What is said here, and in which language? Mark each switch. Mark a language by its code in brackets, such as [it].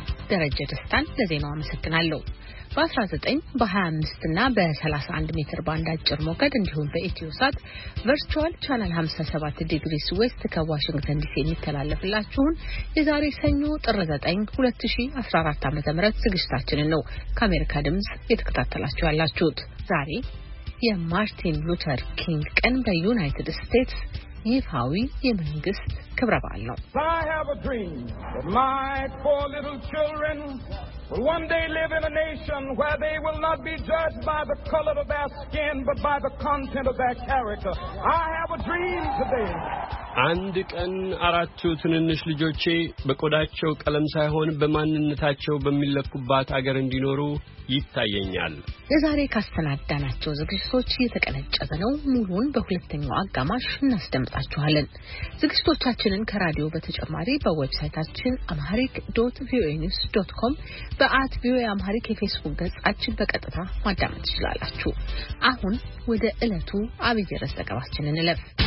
[am] ደረጀ ደስታን ለዜናው አመሰግናለሁ። በ19 በ25 እና በ31 ሜትር ባንድ አጭር ሞገድ እንዲሁም በኢትዮሳት ቨርቹዋል ቻናል 57 ዲግሪስ ዌስት ከዋሽንግተን ዲሲ የሚተላለፍላችሁን የዛሬ ሰኞ ጥር 9 2014 ዓ.ም ዝግጅታችንን ነው ከአሜሪካ ድምጽ እየተከታተላችሁ ያላችሁት። ዛሬ የማርቲን ሉተር ኪንግ ቀን በዩናይትድ ስቴትስ ይፋዊ የመንግስት ክብረ በዓል ነው። [en] I have a dream that my four little children will one day live in a nation where they will not be judged by the color of their skin but by the content of their character. I have a dream today. [am] አንድ ቀን አራቱ ትንንሽ ልጆቼ በቆዳቸው ቀለም ሳይሆን በማንነታቸው በሚለኩባት አገር እንዲኖሩ ይታየኛል። የዛሬ ካስተናዳናቸው ዝግጅቶች የተቀነጨበ ነው። ሙሉን በሁለተኛው አጋማሽ እናስደምጣችኋለን። ዝግጅቶቻችንን ከራዲዮ በተጨማሪ በዌብሳይታችን amharic.voenews.com በአትቪኦኤአምሃሪክ የፌስቡክ ገጻችን በቀጥታ ማዳመጥ ትችላላችሁ። አሁን ወደ ዕለቱ አብይ ርዕስ ዘገባችንን እንለፍ።